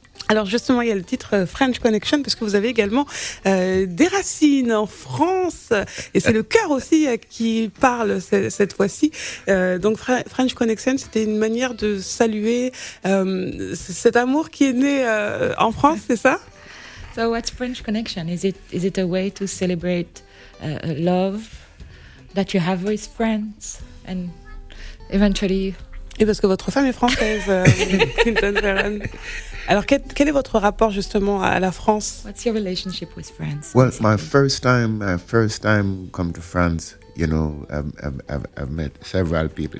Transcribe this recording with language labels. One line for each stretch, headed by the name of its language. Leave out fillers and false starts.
French: Alors justement, il y a le titre French Connection, parce que vous avez également des racines en France, et c'est le cœur aussi qui parle cette fois-ci. Donc French Connection, c'était une manière de saluer cet amour qui est né en France, c'est ça?
English: So what's French Connection? Is it a way to celebrate love that you have with friends and eventually...
French: Et parce que votre femme est française, Clinton Ferran. Alors, quel est votre rapport justement à la France?
English: What's your relationship with France? Well, my first time come to France, you know, I've met several people.